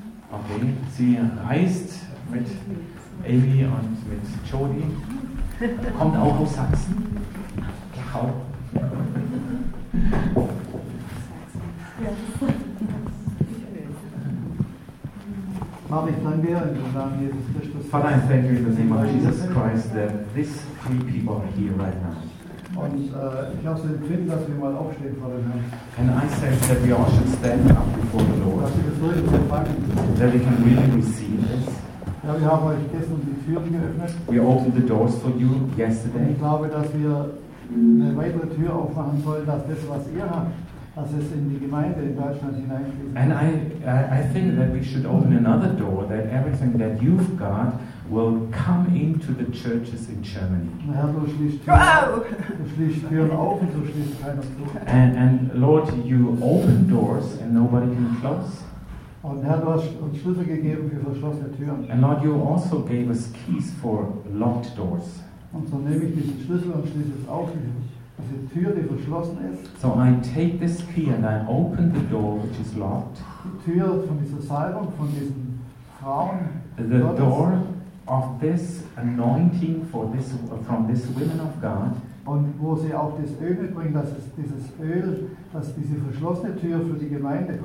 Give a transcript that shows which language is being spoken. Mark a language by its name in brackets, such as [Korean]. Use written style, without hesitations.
[German] Okay, sie reist mit Amy und mit Jody. Kommt auch aus Sachsen. Klachau. Mama, ich danke dir im Namen Jesus Christus. [English] Father, I thank you in the name of Jesus Christ that these three people are here right now. [German] Und ich habe so den Empfinden, dass wir mal aufstehen vor dem Herrn. [English] And I said that we all should stand up before the Lord. [German] Dass wir das wirklich so empfangen. [English] That we can really receive this. [German] Ja, wir haben euch gestern die Türen geöffnet. [English] We opened the doors for you yesterday. [German] Und ich glaube, dass wir eine weitere Tür aufmachen sollen, dass das, was ihr habt, dass es in die Gemeinde in Deutschland hineinfließt. [English] And I think that we should open another door, that everything that you've got will come into the churches in Germany. And Lord, you open doors and nobody can close. [German] Und Herr, du hast uns Schlüssel gegeben für verschlossene Türen. [English] And Lord, you also gave us keys for locked doors. [German] Und so nehme ich diesen Schlüssel und schließe es auf, diese Tür, die verschlossen ist. [English] So I take this key and I open the door, which is locked. [German] Die Tür von dieser Salbung, von diesen Frauen. [English] The door of this anointing for this from this woman of God. [German] Und wo sie auch das Öl mitbringt, das ist dieses Öl, das diese verschlossene Tür für die Gemeinde.